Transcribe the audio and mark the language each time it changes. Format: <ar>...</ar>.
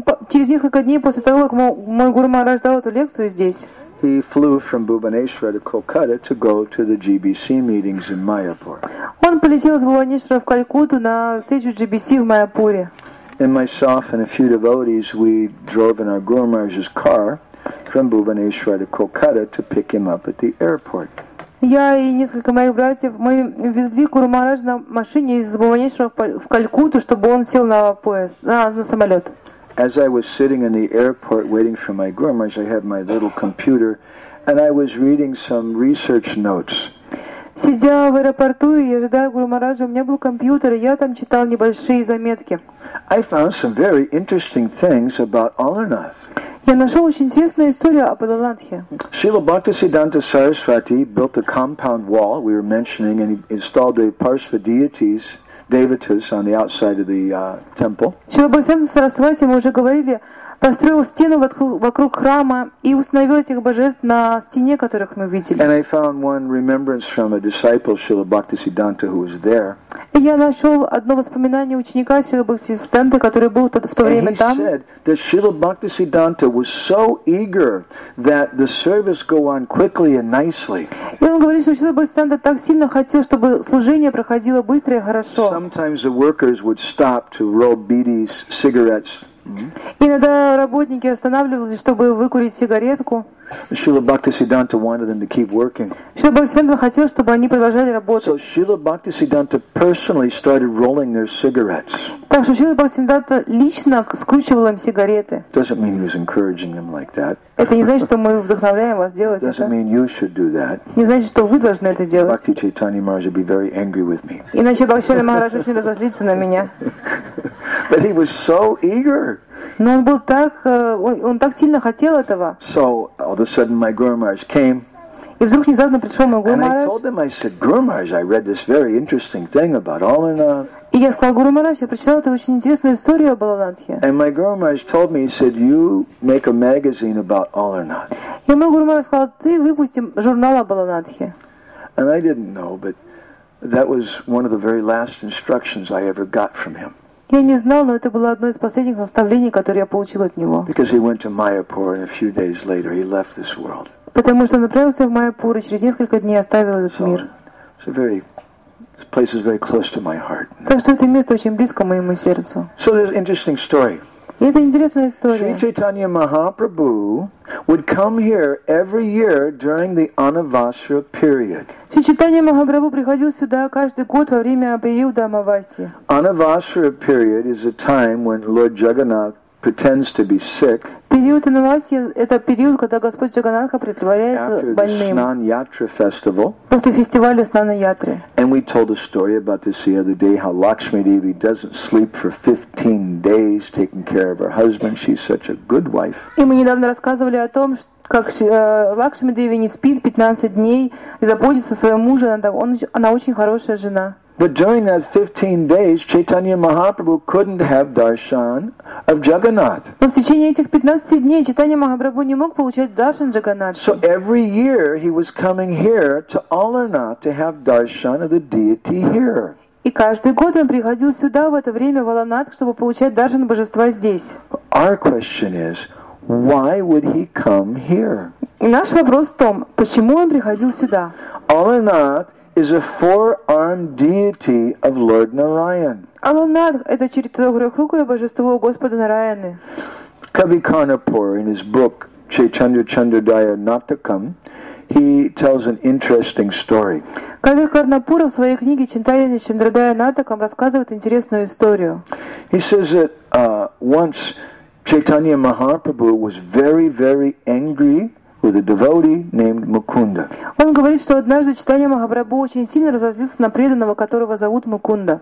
<ru>Через несколько дней после того, как мой гуру Махарадж дал эту лекцию здесь.</ru> <en>He flew from Bhubaneswar to Kolkata to go to the GBC meetings in Mayapur.</en> <ru>Он полетел из Бхубанешвара в Калькутту на встречу GBC в Майяпуре.</ru> <en>And myself and a few devotees, we drove in our Guru Maharaj's car from Bhubaneswar to Kolkata to pick him up at the airport.</en> <ru>Я и несколько моих братьев, мы везли Гуру Махарадж на машине из Бхубанешвара в Калькутту, чтобы он сел на поезд, на самолет.</ru> <en>As I was sitting in the airport waiting for my Guru Maharaj, I had my little computer, and I was reading some research notes.</en> <ru>Сидя в аэропорту и ожидая Гуру Махараджа, у меня был компьютер, и я там читал небольшие заметки.</ru> <en>I found some very interesting things about Alarnath.</en> <ru>Я нашел очень интересную историю об Алладнатхе.</ru> <en>Srila Bhaktisiddhanta Sarasvati built the compound wall we were mentioning and installed the Parsva deities, devatas, on the outside of the temple.</en> <ru>Srila Bhaktisiddhanta Sarasvati, мы уже говорили, построил стену вокруг храма и установил этих божеств на стене, которых мы видели.</ru> <en>And I found one remembrance from a disciple Srila Bhaktisiddhanta who was there.</en> <ru>И я нашел одно воспоминание ученика Srila Bhaktisiddhanta, который был в то время там.</ru> <en>And he said that Srila Bhaktisiddhanta was so eager that the service go on quickly and nicely.</en> <ru>И он говорит, что Srila Bhaktisiddhanta так сильно хотел, чтобы служение проходило быстро и хорошо.</ru> <en>Sometimes the workers would stop to roll bidis, cigarettes.</en> <ru>Иногда работники останавливались, чтобы выкурить сигаретку.</ru> <en>Srila Bhaktisiddhanta wanted them to keep working.</en> <ru>Шрила Бхактисиддханта хотел, чтобы они продолжали работать.</ru> <en>So Srila Bhaktisiddhanta personally started rolling their cigarettes.</en> <ru>Так что Шрила Бхактисиддханта лично скручивал им сигареты.</ru> <en>Doesn't mean he was encouraging them like that.</en> <ru>Это не значит, что мы вдохновляем вас делать это.</ru> <en>Doesn't mean you should do that.</en> <ru>Не значит, что вы должны это делать.</ru> <en>Bhakti Chaitanya Maharaj would be very angry with me.</en> <ru>Иначе Бхакти Чайтанья Махарадж очень разозлится на меня.</ru> <en>But he was so eager.</en> <ru>Но он был так, он так сильно хотел этого.</ru> <en>So all of a sudden my Guru Maharaj came.</en> <ru>И вдруг внезапно пришел мой Гуру Махарадж.</ru> <en>And I told him, I said, Guru Maharaj, I read this very interesting thing about Alanath.</en> <ru>И я сказал, Гуру Махарадж, я прочитал эту очень интересную историю об Аланатхе.</ru> <en>And my Guru Maharaj told me, he said, you make a magazine about Alanath.</en> <ru>И мой Гуру Махарадж сказал, ты выпусти журнал об Аланатхе.</ru> <en>And I didn't know, but that was one of the very last instructions I ever got from him.</en> <ru>Я не знал, но это было одно из последних наставлений, которое я получил от него.</ru> <en>Because he went to Mayapur, and a few days later he left this world.</en> <ru>Потому что он отправился в Майяпур и через несколько дней оставил этот мир.</ru> <en>So very, this place is very close to my heart.</en> <ru>Так что это место очень близко моему сердцу.</ru> <en>So there's an interesting story.</en> <ru>И это интересная история.</ru> <en>Шри Чайтанья Махапрабху would come here every year during the Anavasya period.</en> <ru>Шри Чайтанья Махапрабху приходил сюда каждый год во время периода Амавасии.</ru> <en>Anavasya period is a time when Lord Jagannath pretends to be sick.</en> <ru>Период Анавасии – это период, когда Господь Джаганатха притворяется больным.</ru> <en>After the Снан-Ятра festival.</en> <ru>После фестиваля Снан-Ятры.</ru> <en>And we told a story about this the other day, how Lakshmi Devi doesn't sleep for 15 days taking care of her husband. She's such a good wife.</en> <ru>И мы недавно рассказывали о том, как Лакшми Деви не спит 15 дней и заботится о своем муже. Она очень хорошая жена.</ru> <en>But during that 15 days, Chaitanya Mahaprabhu couldn't have darshan of Jagannath.</en> <ru>Но в течение этих 15 дней Чайтанья Махапрабху не мог получать даршан Джаганнатха.</ru> <en>So every year he was coming here to Alarnath to have darshan of the deity here.</en> <ru>И каждый год он приходил сюда в это время в Аланат, чтобы получать даршан божества здесь.</ru> <en>Our question is, why would he come here?</en> <ru>И наш вопрос в том, почему он приходил сюда?</ru> <en>Alarnath is a four-armed deity of Lord Narayan.</en> <ru>Аланат — это четырехрукое божество Господа Нараяны.</ru> <en>Kavi Karnapur, in his book Chaitanya Chandradaya Natakam, he tells an interesting story.</en> <ru>Кави Карнапура в своей книге Чайтанья Чандрадая Натакам рассказывает интересную историю.</ru> <en>He says that once Chaitanya Mahaprabhu was very, very angry with a devotee named Mukunda.</en> <ru>Он говорит, что однажды Чайтанья Махапрабху очень сильно разозлился на преданного, которого зовут Мукунда.</ru>